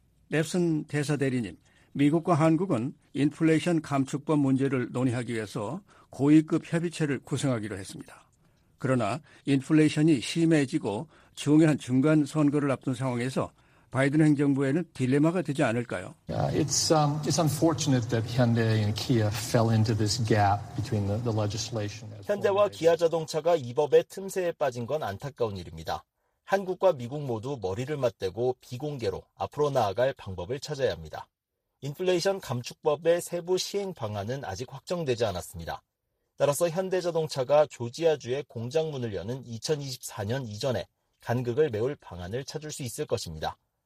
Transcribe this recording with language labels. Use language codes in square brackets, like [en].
[ko] 랩슨 대사대리님, 미국과 한국은 인플레이션 감축법 문제를 논의하기 위해서 고위급 협의체를 구성하기로 했습니다. 그러나 인플레이션이 심해지고 중요한 중간 선거를 앞둔 상황에서 바이든 행정부에는 딜레마가 되지 않을까요? [en] It's unfortunate that Hyundai and Kia fell into this gap between the legislation. [ko] 현대와 기아 자동차가 이 법의 틈새에 빠진 건 안타까운 일입니다. 한국과 미국 모두 머리를 맞대고 비공개로 앞으로 나아갈 방법을 찾아야 합니다. 인플레이션 감축법의 세부 시행 방안은 아직 확정되지 않았습니다. 따라서 현대자동차가 조지아주의 공장 문을 여는 2024년 이전에 간극을 메울 방안을 찾을 수 있을 것입니다.